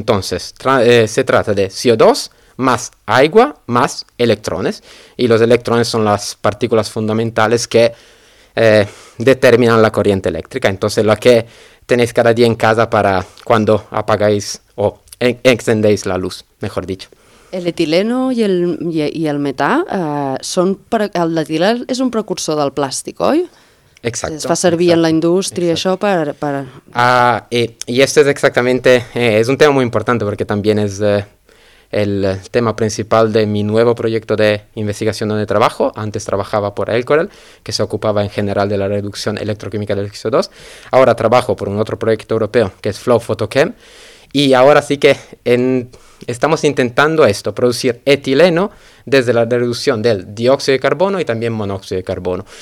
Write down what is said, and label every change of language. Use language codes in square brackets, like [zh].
[es] Entonces, se trata de CO2 más agua, más electrones, y los electrones son las partículas fundamentales que determinan la corriente eléctrica. Entonces, la que tenéis cada día en casa para cuando apagáis o encendéis la luz, mejor dicho. El etileno y el metá, el etileno es un precursor del plástico, ¿oi? Exacto. [ca] Es fa servir en la industria això per... [es] Y esto es exactamente, es un tema muy importante porque también es... el tema principal de mi nuevo proyecto de investigación donde trabajo. Antes trabajaba por Elcorel, que se ocupaba en general de la reducción electroquímica del CO2. Ahora trabajo por un otro proyecto europeo, que es Flow Photochem. Y ahora sí que estamos intentando esto, producir etileno desde la reducción del dióxido de carbono y también monóxido de carbono.